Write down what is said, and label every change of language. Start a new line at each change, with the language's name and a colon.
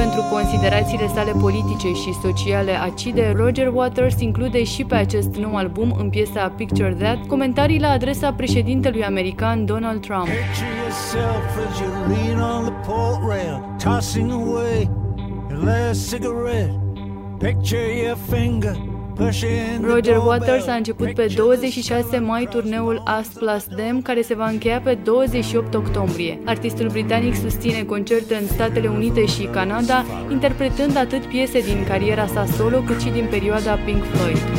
Romanian: Considerațiile sale politice și sociale acide, Roger Waters include și pe acest nou album, în piesa Picture That, comentarii la adresa președintelui american Donald Trump.
English: Picture yourself as you lean on the port rail, tossing away your last cigarette. Picture your finger.
Romanian: Roger Waters a început pe 26 mai turneul Us Plus Them, care se va încheia pe 28 octombrie. Artistul britanic susține concerte în Statele Unite și Canada, interpretând atât piese din cariera sa solo, cât și din perioada Pink Floyd.